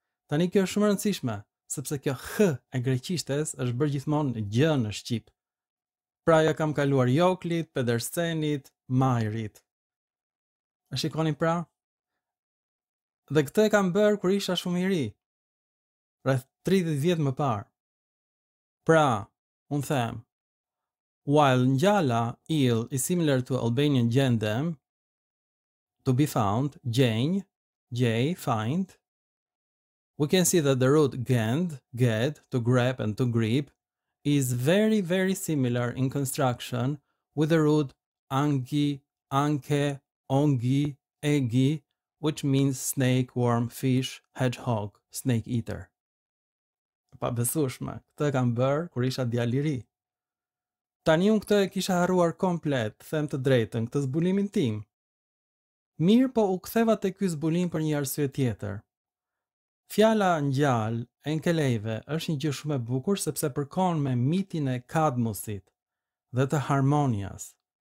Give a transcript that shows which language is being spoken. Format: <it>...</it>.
<sq>Tani, kjo është shumë rëndësishme, sepse kjo H e greqishtes është bërë gjithmonë gj në shqip. Pra ja kam kaluar Joklit, Pedersenit, Majrit. E shikoni pra? Dhe këtë e kam bërë kur isha shumë i ri, rreth 30 vjet më parë. Pra, unë them,</sq> <en>while ngjala ill is similar to Albanian gjendem, to be found, gjenj, gjej, find, we can see that the root gend, ged, to grab and to grip, is very, very similar in construction with the root angi, anke, ongi, egi, which means snake, worm, fish, hedgehog, snake eater.</en> <sq>Pa besushme, këtë kam bërë kur isha djalë i ri. Tani unë këtë e kisha harruar komplet, them të drejtën, këtë zbulimin tim. Mirë po u ktheva te ky zbulim për një arsye tjetër. Fjala ngjall, enkelejve, është një gjë shumë e bukur sepse përkon me mitin e Kadmusit dhe të harmonias.</sq>